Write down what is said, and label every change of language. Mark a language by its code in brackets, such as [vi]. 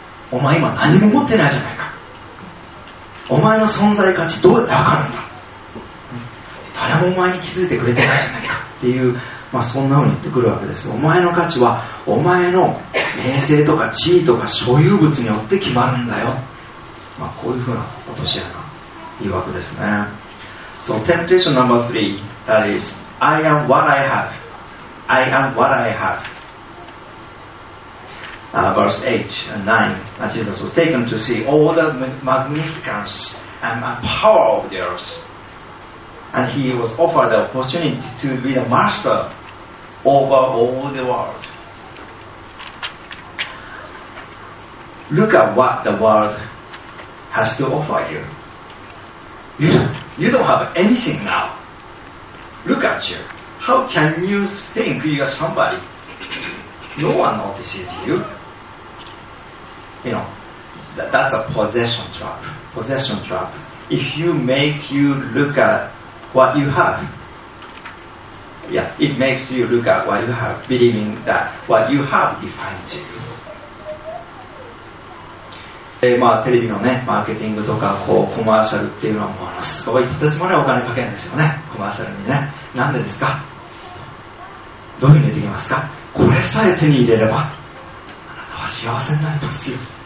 [ja] お前今何も持ってないじゃないか。お前の存在価値どうやって分かるんだ。誰もお前に気づいてくれてないじゃないかっていう、まあ、そんな風に言ってくるわけです。お前の価値はお前の名声とか地位とか所有物によって決まるんだよ、まあ、こういう風な落とし穴いうわけですね。 [en] So temptation number three, that is I am what I have. I am what I haveverse 8 and 9, and Jesus was taken to see all the magnificence and power of the earth. And he was offered the opportunity to be the master over all the world. Look at what the world has to offer you. You don't have anything now. Look at you. How can you think you are somebody? No one notices you. You know, that's a possession trap. Possession trap. If you make you look at what you have, yeah, it makes you look at what you have, believing that what you have defines you. [ja] で、まあ、テレビのね、マーケティングとか、こう、コマーシャルっていうのは、ものすごい、とてつもないお金かけるんですよね、コマーシャルにね。なんでですか？どういうふうにできますか？これさえ手に入れれば、あなたは幸せになりますよ。